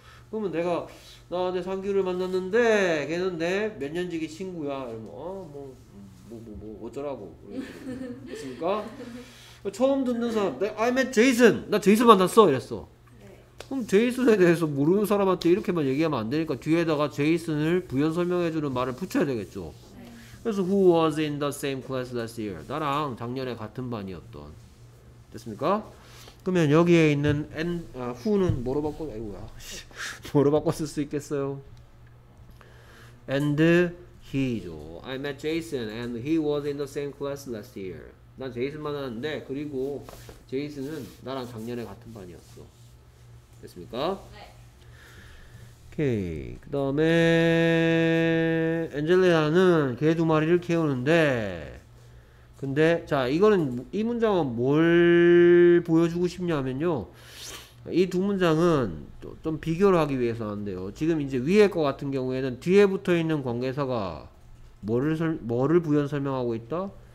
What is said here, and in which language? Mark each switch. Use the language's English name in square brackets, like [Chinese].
[Korean] 그러면 내가 나 내 상규를 만났는데 걔는 내 몇 년지기 친구야 이러면 뭐 어쩌라고 그랬습니까? 처음 듣는 사람 [English] I met Jason! [Korean] 나 제이슨 만났어! 이랬어. 그럼 제이슨에 대해서 모르는 사람한테 이렇게만 얘기하면 안 되니까 뒤에다가 제이슨을 부연 설명해주는 말을 붙여야 되겠죠. [English] 그래서 Who was in the same class last year? [Korean] 나랑 작년에 같은 반이었던. 됐습니까? 그러면 여기에 있는 후는 뭐로 바꿔? 아이고야. 뭐로 바꿔 쓸 수 있겠어요? [English] And he죠. I met Jason and he was in the same class last year. [Korean] 난 제이슨 만났는데 그리고 제이슨은 나랑 작년에 같은 반이었어. 됐습니까? 네. 오케이. 그 다음에 엔젤리나는 개 두 마리를 키우는데 근데 자 이거는 이 문장은 뭘 보여주고 싶냐면요, 이 두 문장은 좀 비교를 하기 위해서 하는데요, 지금 이제 위에 거 같은 경우에는 뒤에 붙어 있는 관계사가 뭐를 부연 설명하고 있다?